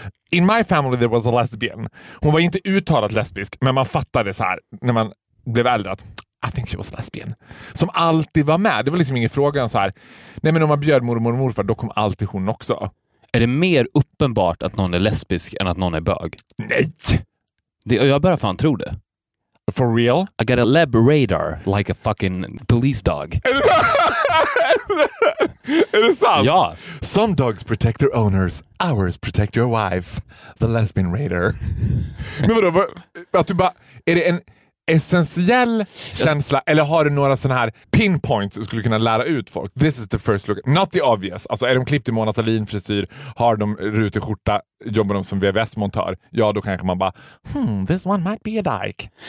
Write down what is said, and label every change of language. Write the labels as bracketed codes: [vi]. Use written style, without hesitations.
[en] In my family there was a lesbian. [sv] Hon var inte uttalat lesbisk, men man fattade så här när man blev äldre att [en] I think she was lesbian. [sv] Som alltid var med. Det var liksom ingen fråga så här. Nej, men om man bjöd mormor och morfar, då kom alltid hon också. Är det mer uppenbart att någon är lesbisk än att någon är bög? Nej! Det, jag bara fan tror det. [en] For real? I got a lab radar like a fucking police dog. [sv] Är det sant? Ja. [en] Some dogs protect their owners. Ours protect your wife. The lesbian raider. [sv] Men vadå? Att du bara, är det en essentiell känsla? Eller har du några sådana här pinpoints du skulle kunna lära ut folk? [en] This is the first look. Not the obvious. [sv] Alltså är de klippt i Mona Sahlin frisyr? Har de rutig skjorta? Jobbar de som VVS-montör? Ja, då kanske man bara, [en] this one might be a dyke.